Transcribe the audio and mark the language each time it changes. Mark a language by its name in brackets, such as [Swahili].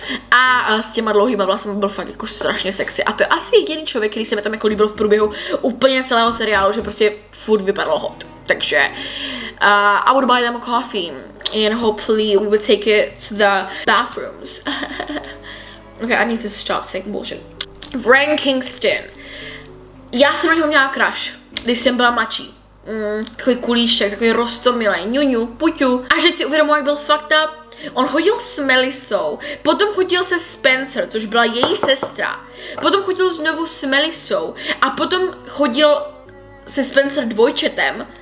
[Czech] A s těma dlouhýma vlasama byl fakt jako strašně sexy. A to je asi jediný člověk, který se mi tam jako líbil v průběhu úplně celého seriálu, že prostě furt vypadal hot. Takže... [English] I would buy them a coffee and hopefully we would take it to the bathrooms. Okay, I need to stop saying bullshit. Bryan Kingston. [Czech] Já jsem na něho měla crush, když jsem byla mladší. Takový kulíšek, takový roztomilej, ňuňu, puťu. A že si uvědomuji, jak byl [English] fucked up. [Czech] On chodil s Melisou, potom chodil se Spencer, což byla její sestra. Potom chodil znovu s Melisou a potom chodil se Spencer dvojčetem.